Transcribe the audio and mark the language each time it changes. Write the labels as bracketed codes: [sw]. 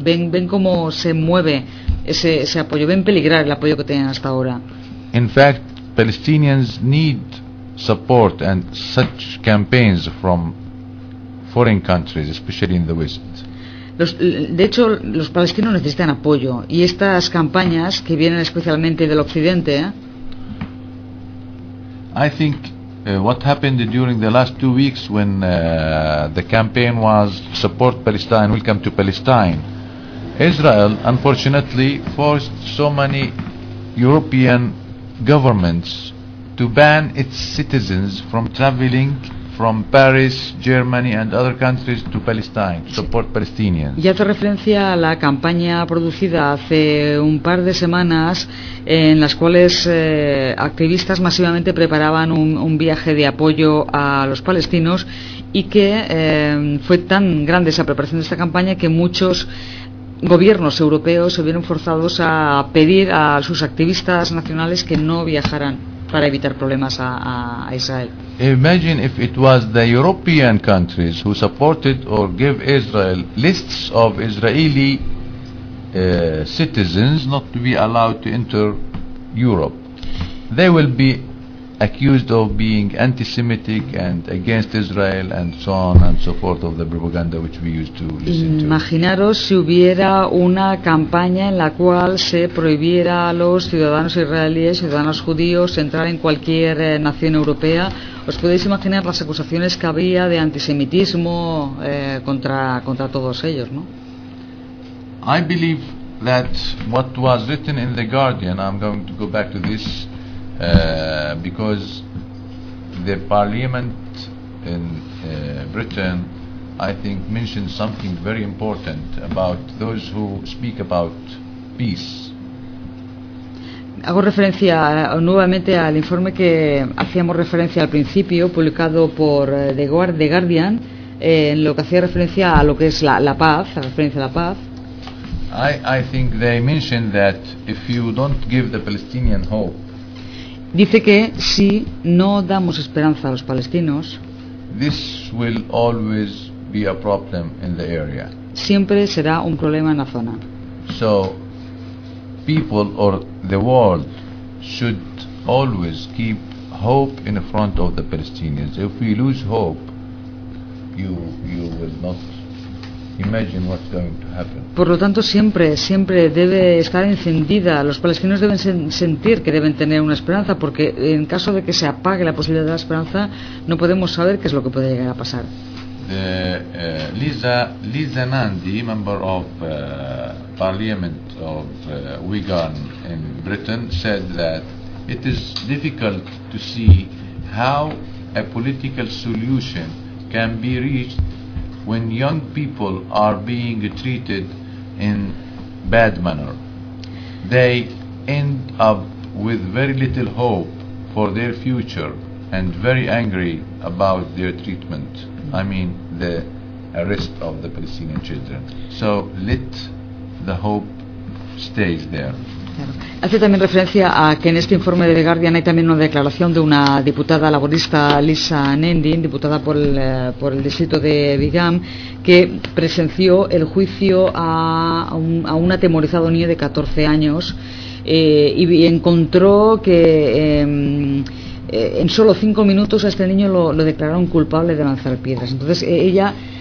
[es] Ven cómo se mueve ese apoyo, ven peligrar el apoyo que tienen hasta ahora. [en] In fact, Palestinians need support and such campaigns from foreign countries, especially in the West. [es] De hecho, los palestinos necesitan apoyo, y estas campañas que vienen especialmente del Occidente. [en] I think what happened during the last 2 weeks when the campaign was support Palestine, welcome to Palestine, Israel unfortunately forced so many European governments to ban its citizens from traveling from Paris, Germany and other countries to Palestine to support Palestinians. [es] Y hace referencia a la campaña producida hace un par de semanas en las cuales activistas masivamente preparaban un viaje de apoyo a los palestinos, y que fue tan grande esa preparación de esta campaña que muchos gobiernos europeos se vieron forzados a pedir a sus activistas nacionales que no viajaran para evitar problemas a Israel. [en] Imagine if it was the European countries who supported or gave Israel lists of Israeli citizens not to be allowed to enter Europe. They will be accused of being anti-Semitic and against Israel and so on and so forth of the propaganda which we used to listen to. [es] Imaginaros si hubiera una campaña en la cual se prohibiera a los ciudadanos israelíes, ciudadanos judíos, entrar en cualquier nación europea. ¿Os podéis imaginar las acusaciones que había de antisemitismo contra todos ellos, no? [en] I believe that what was written in The Guardian, I'm going to go back to this, because the parliament in Britain, I think, mentioned something very important about those who speak about peace. [es] Hago referencia nuevamente al informe que hacíamos referencia al principio, publicado por The Guardian, en lo que hacía referencia a lo que es la paz, a referencia a la paz. [en] I think they mentioned that if you don't give the Palestinian hope, [es] dice que si no damos esperanza a los palestinos, [en] this will always be a problem in the area. [es] Siempre será un problema en la zona. [en] So, people or the world should always keep hope in front of the Palestinians. If we lose hope, you will not imagine what's going to happen. [es] Por lo tanto, siempre debe estar encendida. Los palestinos deben sentir que deben tener una esperanza, porque en caso de que se apague la posibilidad de la esperanza, no podemos saber qué es lo que puede llegar a pasar. [en] Lisa Nandy, member of Parliament of Wigan in Britain, said that it is difficult to see how a political solution can be reached when young people are being treated in bad manner. They end up with very little hope for their future and very angry about their treatment. I mean the arrest of the Palestinian children. So let the hope stay there. [es] Hace también referencia a que en este informe de The Guardian hay también una declaración de una diputada laborista, Lisa Nendin, diputada por el distrito de Bigam, que presenció el juicio a un atemorizado niño de 14 años y encontró que en solo 5 minutos a este niño lo declararon culpable de lanzar piedras. Entonces ella...